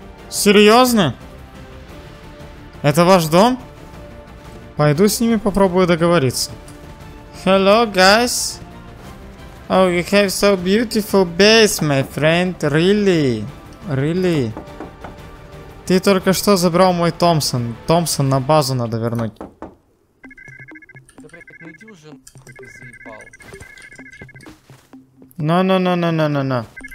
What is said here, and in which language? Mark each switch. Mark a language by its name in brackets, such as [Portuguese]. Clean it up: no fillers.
[Russian] Серьезно? Это ваш дом? Пойду с ними попробую договориться. [English] Hello, guys. Oh, you have so beautiful base, my friend. Really? [Russian] Ты только что забрал мой Томпсон. Томпсон на базу надо вернуть. Да, блядь, найди уже, ты заебал. [English] No.